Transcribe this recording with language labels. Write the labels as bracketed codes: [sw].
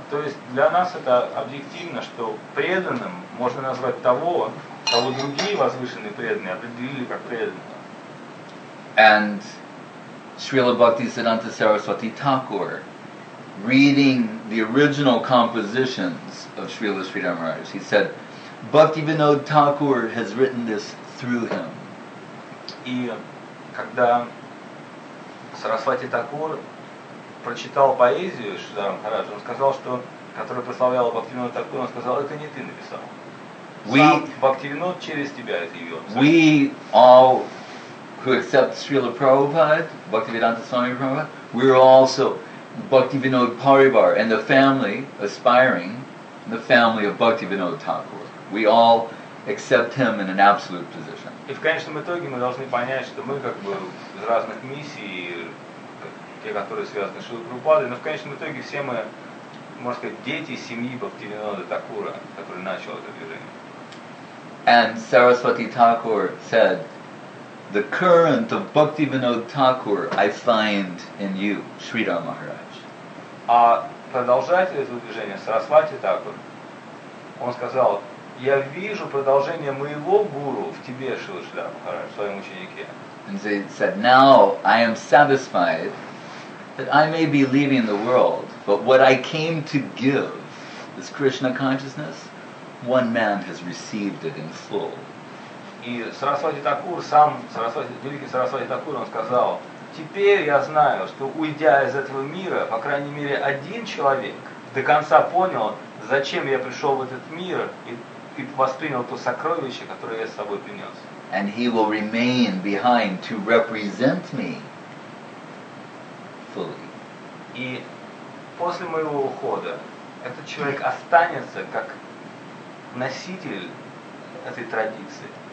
[ru] То есть для нас это объективно, что преданным можно назвать того, кого другие возвышенные преданные определили как преданного. [en] And Srila Bhaktisiddhanta Saraswati Thakur, reading the original compositions of Srila Sridhara Maharaj, he said, Bhaktivinoda Thakur has written this through him. [ru] И когда Сарасвати Такур прочитал поэзию Шридхара Махараджа, он сказал, что который прославлял Бхактивинода Такура, он сказал, это не ты написал. Бхактивинод через тебя это явил. [en] We all who accept Srila Prabhupada, Bhaktivedanta Swami Prabhupada, we're also Bhaktivinoda Parivar and the family aspiring, the family of Bhaktivinoda Thakur. We all accept him in an absolute position. [ru] И в конечном итоге мы должны понять, что мы как бы из разных миссий, те, которые связаны с Шрилой Прабхупадой, но в конечном итоге все мы, можно сказать, дети семьи Бхактивинода Такура, который начал это движение. [en] And Saraswati Thakur said, the current of Bhaktivinoda Thakur I find in you, Sridhara Maharaj. [ru] А продолжатель этого движения, Сарасвати Такур, он сказал, я вижу продолжение моего гуру в тебе, Шрила Сридхара Махарадж, в своем ученике. [en] And he said, now I am satisfied that I may be leaving the world, but what I came to give, this Krishna consciousness, one man has received it in full. [ru] И Сарасвати Такур, сам Сарасвати, великий Сарасвати Такур, он сказал, теперь я знаю, что уйдя из этого мира, по крайней мере, один человек до конца понял, зачем я пришел в этот мир, и воспринял то сокровище, которое я с собой принес. [en] And he will remain behind to represent me fully. [ru] И после моего ухода этот человек останется как носитель этой традиции.